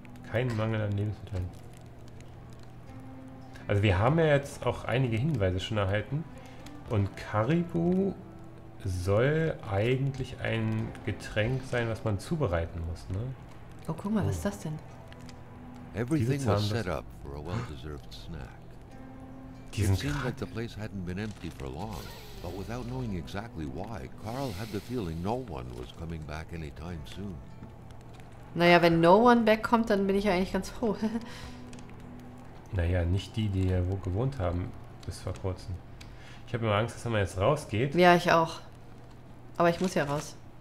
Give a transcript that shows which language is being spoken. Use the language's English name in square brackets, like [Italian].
[German] Kein Mangel an Lebensmitteln. Also wir haben ja jetzt auch einige Hinweise schon erhalten. Und Karibu soll eigentlich ein Getränk sein, was man zubereiten muss, ne? Oh, guck mal, was ist das denn? [English] Everything was set up for a well-deserved snack. [German] Diesen Karibu. [English] It seemed like the place hadn't been empty for long, but without knowing exactly why, Carl had the feeling no one was coming back anytime soon. [German] Naja, wenn [English] no one back [German] kommt, dann bin ich ja eigentlich ganz froh. Naja, nicht die, die hier gewohnt haben bis vor kurzem. Ich habe immer Angst, dass wenn man jetzt rausgeht. Ja, ich auch. Aber ich muss ja raus.